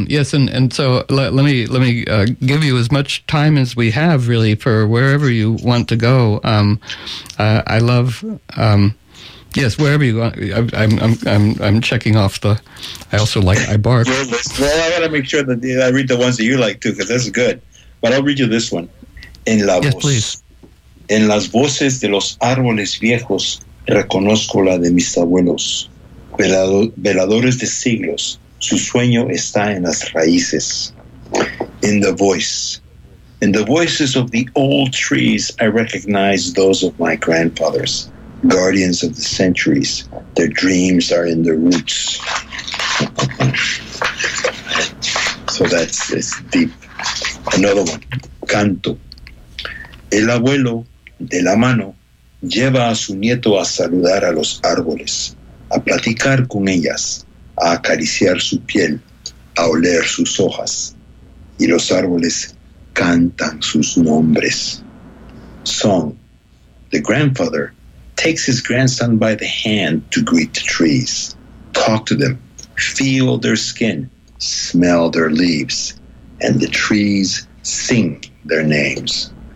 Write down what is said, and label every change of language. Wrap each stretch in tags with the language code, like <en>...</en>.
<en>Yes, and so let me give you as much time as we have, really, for wherever you want to go. I love... Yes, wherever you want. I'm checking off the. I also like. I bark. Well, I gotta make sure that I read the ones that you like too, because this is good. But I'll read you this one.</en> <es>En la yes, voz.</es> <en>Please.</en> <es>En las voces de los árboles viejos reconozco la de mis abuelos, veladores de siglos. Su sueño está en las raíces.</es> <en>In the voice. In the voices of the old trees, I recognize those of my grandfathers. Guardians of the centuries, their dreams are in the roots. So that's deep. Another one, canto.</en> <es>El abuelo, de la mano, lleva a su nieto a saludar a los árboles, a platicar con ellas, a acariciar su piel, a oler sus hojas, y los árboles cantan sus nombres.</es> <en>Song, the grandfather takes his grandson by the hand to greet the trees, talk to them, feel their skin, smell their leaves, and the trees sing their names.</en>